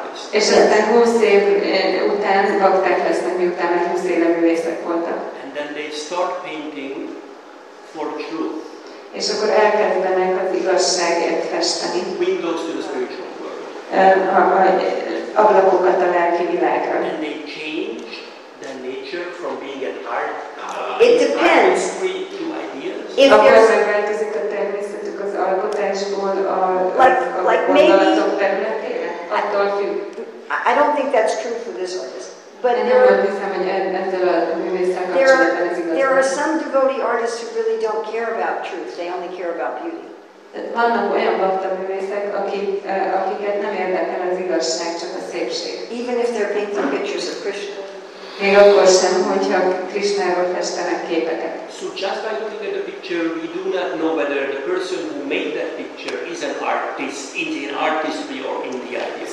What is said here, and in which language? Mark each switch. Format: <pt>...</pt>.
<hu>És aztán 20 év után bakták lesznek, miután már 20 éve művészek voltak.</hu> <en>And then they start painting for truth.</en> <hu>És akkor elkezdenek az igazságért festeni.</hu> <en>Windows to the spiritual world.</en> <hu>Ablakokat a lelki világra.</hu> <en>And they change the nature from being an art. It depends. If there's a practice of tennis, because our potential or like maybe</en> <hu>attól függ.</hu> <en>I don't think that's true for this artist. But there are some devotee artists who really don't care about truth. They only care about beauty.</en> <hu>Vannak olyan bakta művészek, akiket nem érdekel az igazság, csak a szépség.</hu> <en>Even if they're painting pictures of Krishna.</en> <hu>Még akkor sem, hogyha Krishnáról festenek képeket.</hu> <en>So just by looking at the picture, we do not know whether the person who made that picture is an artist, or in the idea.</en>